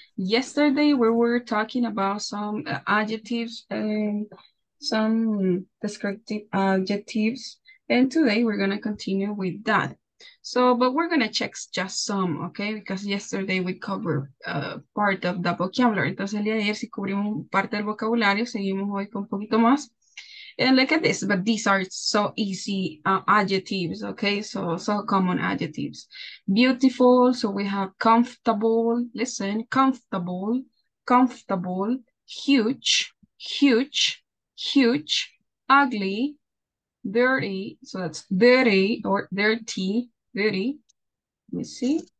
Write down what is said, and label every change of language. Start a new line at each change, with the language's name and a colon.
English: Yesterday we were talking about some adjectives and some descriptive adjectives, and today we're going to continue with that. So, but we're going to check just some, okay? Because yesterday we covered part of the vocabulary.
Spanish: Entonces, el día de ayer sí cubrimos parte del vocabulario, seguimos hoy con un poquito más.
English: And look at this, but these are so easy adjectives, okay? So common adjectives. Beautiful, so we have comfortable, listen, comfortable, comfortable, huge, huge, huge, ugly, dirty, so that's dirty or dirty, dirty. Let me see.